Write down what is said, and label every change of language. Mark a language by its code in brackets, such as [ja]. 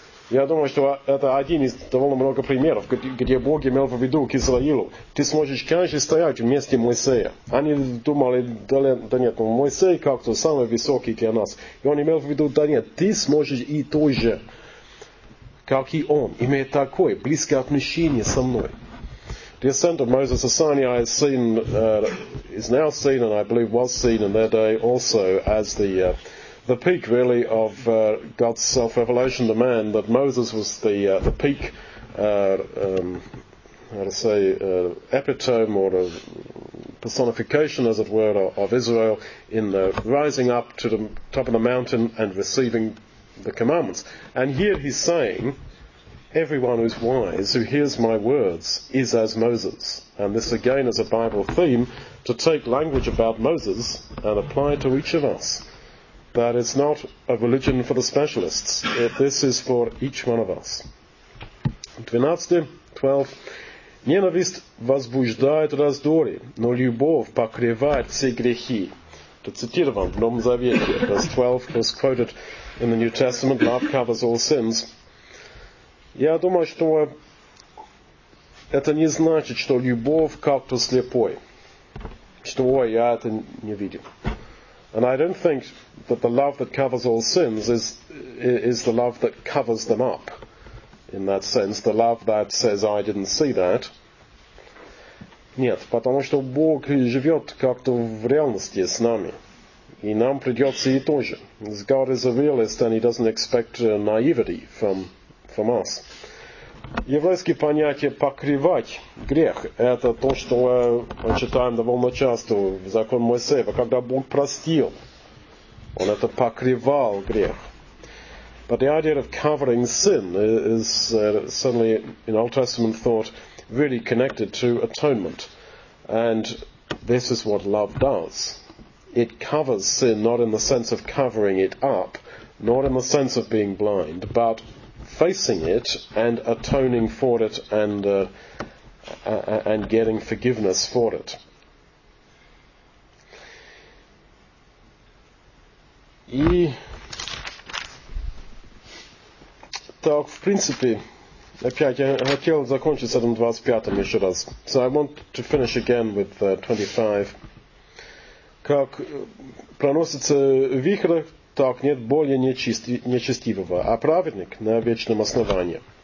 [ru] Я думаю, что это один из довольно много примеров, где Бог имел в виду к Израилю. Ты сможешь, конечно, стоять вместе Моисея. Они думали, да нет, но Моисей как-то самый высокий для нас. И он имел в виду, да нет, ты сможешь и той же, как и он, имея такое близкое отношение со мной. [en] The ascent of Moses to Sinai is seen, is now seen, and I believe was seen in their day also as the peak, really, of God's self-revelation to man, that Moses was the peak, epitome or a personification, as it were, of Israel in the rising up to the top of the mountain and receiving the commandments. And here he's saying, everyone who's wise, who hears my words, is as Moses. And this, again, is a Bible theme, to take language about Moses and apply it to each of us. That it's not a religion for the specialists. This is for each one of us. 12. [ru] Ненависть возбуждает раздоры, но любовь покрывает все грехи. Это цитировано в Новом Завете. [en] Verse 12 was quoted in the New Testament. Love covers all sins. [ru] Я думаю, что это не значит, что любовь как-то слепой. Что, ой, я это не видел. [en] And I don't think that the love that covers all sins is the love that covers them up, in that sense, the love that says, I didn't see that. [ru] Нет, потому что Бог живет как-то в реальности с нами. И нам придется и тоже. [en] God is a realist and he doesn't expect naivety from us. [ru] Еврейское понятие «покрывать грех» – это то, что мы читаем довольно часто в закон Моисеева, когда Бог простил, он это покрывал грех. [en] But the idea of covering sin is certainly, in Old Testament thought, really connected to atonement. And this is what love does. It covers sin not in the sense of covering it up, not in the sense of being blind, but facing it and atoning for it and getting forgiveness for it. [ru] И так, в принципе, опять я хотел закончить с этим 25-м еще раз. [en] So I want to finish again with 25. [ru] Как проносится вихрь, так нет более нечестивого, а праведник на вечном основании.